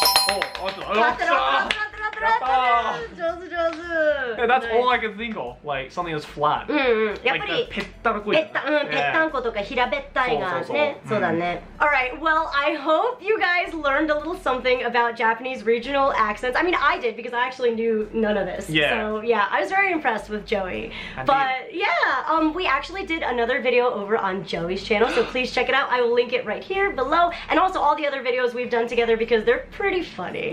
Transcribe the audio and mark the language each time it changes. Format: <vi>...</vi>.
<en>Yeah, that's all I can think of, like something that's flat. Like</en> <ja>ペッタンコとか平べったいがね。そうだね。</ja> <en>Alright, well, I hope you guys learned a little something about Japanese regional accents. I mean, I did because I actually knew none of this. Yeah. So yeah, I was very impressed with Joey. But yeah, we actually did another video over on Joey's channel, so please check it out. I will link it right here below. And also all the other videos we've done together because they're pretty funny.</en>